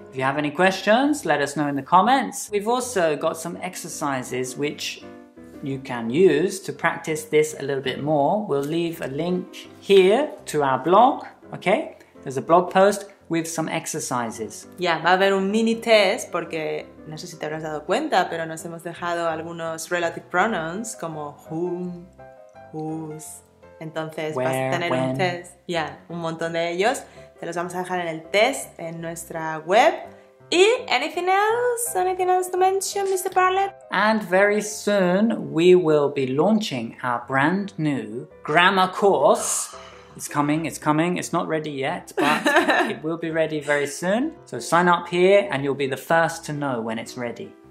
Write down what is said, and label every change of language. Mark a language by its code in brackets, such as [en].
[en] If you have any questions, let us know in the comments. We've also got some exercises which you can use to practice this a little bit more. We'll leave a link here to our blog, okay? There's a blog post with some exercises. [es] Yeah, va a haber un mini test porque no sé si te habrás dado cuenta, pero nos hemos dejado algunos relative pronouns como whom, whose. Entonces, [en] where, [es] vas a tener [en] when. [es] Un test. Yeah, un montón de ellos. Te los vamos a dejar en el test en nuestra web. [en] Y anything else? Anything else to mention, Mr. Barlett? And very soon we will be launching our brand new grammar course. It's coming, it's coming. It's not ready yet, but it will be ready very soon. So sign up here and you'll be the first to know when it's ready.